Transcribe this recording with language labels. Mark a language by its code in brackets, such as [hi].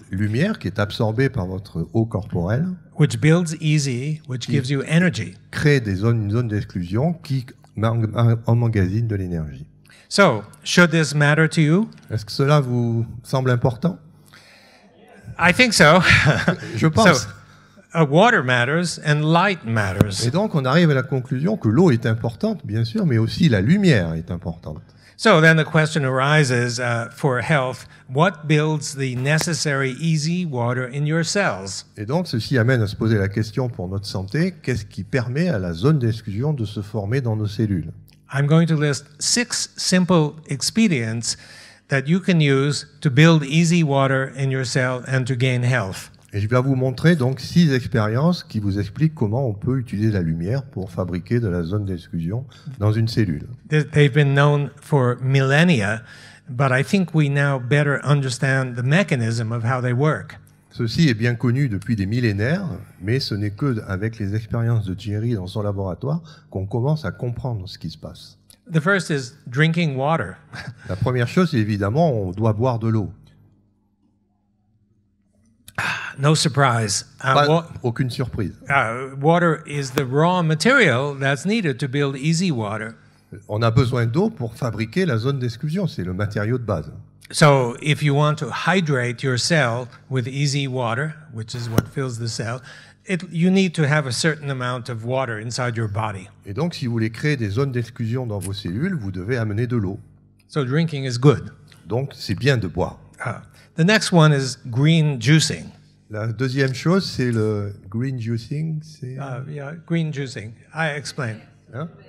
[fr] Lumière qui est absorbée par votre eau corporelle. [en] Which builds easy, which gives you energy. [fr] Crée des zones, une zone d'exclusion qui emmagasine de l'énergie. [en] So, should this matter to you? [fr] Est-ce que cela vous semble important? [en] I think so. [fr] Je pense. [en] So, water matters and light matters. [fr] Et donc, on arrive à la conclusion que l'eau est importante, bien sûr, mais aussi la lumière est importante. [en] So then the question arises for health, what builds the necessary easy water in your cells? [fr] Et donc, ceci amène à se poser la question pour notre santé, qu'est-ce qui permet à la zone d'exclusion de se former dans nos cellules? [en] I'm going to list six simple expedients that you can use to build easy water in your cell and to gain health. [fr] Et je vais vous montrer donc six expériences qui vous expliquent comment on peut utiliser la lumière pour fabriquer de la zone d'exclusion dans une cellule. [en] They've been known for millennia, but I think we now better understand the mechanism of how they work. [fr] Ceci est bien connu depuis des millénaires, mais ce n'est que avec les expériences de Thierry dans son laboratoire qu'on commence à comprendre ce qui se passe. [en] The first is drinking water. [fr] La première chose, évidemment, on doit boire de l'eau. [en] No surprise. [fr] Aucune surprise. [en] Water is the raw material that's needed to build easy water. [fr] On a besoin d'eau pour fabriquer la zone d'exclusion. C'est le matériau de base. [en] So if you want to hydrate your cell with easy water, which is what fills the cell, you need to have a certain amount of water inside your body. [fr] Et donc, si vous voulez créer des zones d'exclusion dans vos cellules, vous devez amener de l'eau. [en] So drinking is good. [fr] Donc, c'est bien de boire. [en] The next one is green juicing. [fr] La deuxième chose, c'est le green juicing. [en] Green juicing. I explain. Hein?